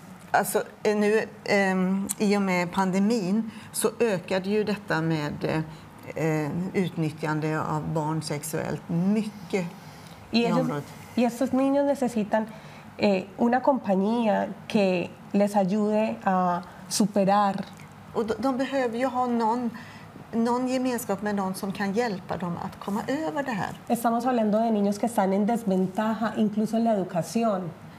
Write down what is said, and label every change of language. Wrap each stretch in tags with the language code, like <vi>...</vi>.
<sv>Alltså nu i och med pandemin så ökade ju detta med utnyttjande av barn sexuellt mycket.</sv> <es>Y estos niños necesitan una compañía que les ayude a superar.</es> <sv>De behöver ju ha någon gemenskap med någon som kan hjälpa dem att komma över det här.</sv> <es>Estamos hablando de niños que están en desventaja incluso en la educación.</es>